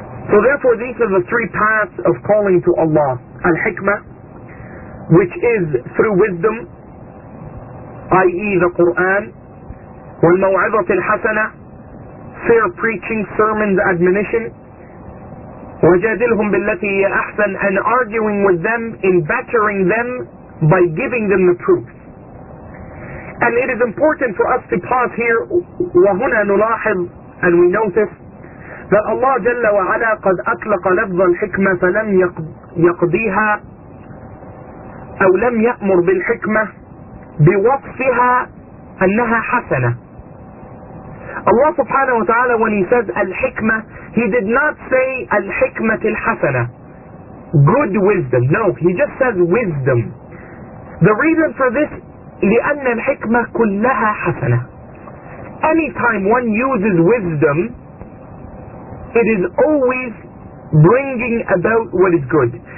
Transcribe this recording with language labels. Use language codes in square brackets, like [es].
[en] So therefore these are the three paths of calling to Allah. Al-Hikmah, which is through wisdom, i.e. the Qur'an. Wal-Maw'izat al-Hasana, fair preaching, sermons, admonition. [ar] وَجَادِلْهُمْ بِالَّتِي هِيَ أَحْسَنَ, [en] and arguing with them, in bettering them by giving them the proofs. And it is important for us to pause here, [ar] وَهُنَا نُلَاحِظُ, [en] and we notice that Allah [ar] جَلَّ وَعَلَىٰ قَدْ أَطْلَقَ لَفْظَ الْحِكْمَةَ فَلَمْ يَقْضِيهَا أَوْ لَمْ يَأْمُرْ بِالْحِكْمَةَ بِوَصْفِهَا أَنَّهَا حَسَنَةَ. [en] Allah subhanahu wa ta'ala, when He says al-hikmah, He did not say al-hikmah al-hasana, good wisdom. No, He just says wisdom. The reason for this, [ar] لِأَنَّ الْحِكْمَةَ كُلَّهَا حَسَنَةَ. [en] Anytime one uses wisdom, it is always bringing about what is good.